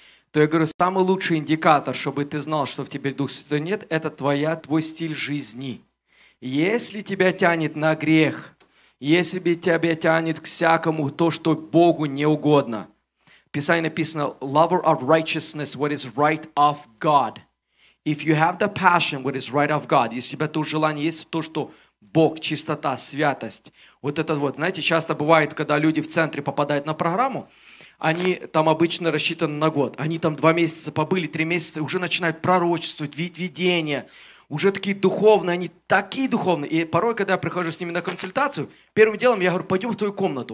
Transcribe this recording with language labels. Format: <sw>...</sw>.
<ru>То я говорю, самый лучший индикатор, чтобы ты знал, что в тебе Дух Святой нет, это твой стиль жизни. Если тебя тянет на грех, если тебя тянет к всякому то, что Богу не угодно, Писание написано:</ru> <en>lover of righteousness, what is right of God. If you have the passion, what is right of God.</en> <ru>Если у тебя то желание есть, то, что Бог, чистота, святость. Вот это вот, знаете, часто бывает, когда люди в центре попадают на программу, они там обычно рассчитаны на год. Они там 2 месяца побыли, 3 месяца, уже начинают пророчествовать, видение. Уже такие духовные, они такие духовные. И порой, когда я прихожу с ними на консультацию, первым делом я говорю: пойдем в твою комнату.</ru>